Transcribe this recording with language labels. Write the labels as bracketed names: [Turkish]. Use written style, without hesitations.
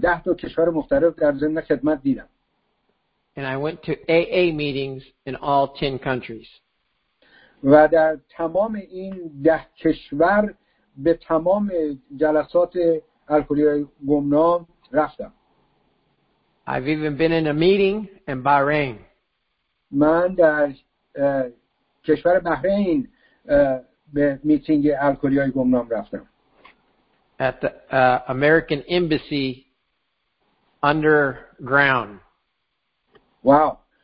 [Persian] 10 تا کشور مختلف در ضمن خدمت دیدم. [English] And I went to AA meetings in all 10 countries. [Persian] و در تمام این 10 کشور به تمام جلسات الکلی گمنام رفتم. [English] I've even been in a meeting in Bahrain. [Persian] من در کشور بحرین به میتینگ الکلی گمنام رفتم. [English] At the American embassy underground. Wow.